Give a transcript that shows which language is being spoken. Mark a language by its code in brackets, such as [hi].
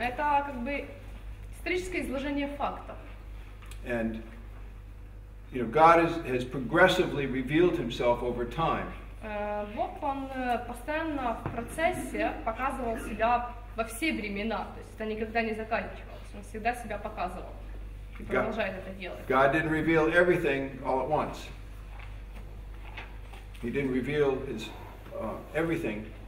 [ru] Это как бы историческое изложение фактов. [en] And you know, God has progressively revealed Himself over time. [ru] Бог он постоянно в процессе показывал себя во все времена, то есть это никогда не заканчивалось. Он всегда себя показывал. [en] God didn't reveal everything all at once. He didn't reveal his everything.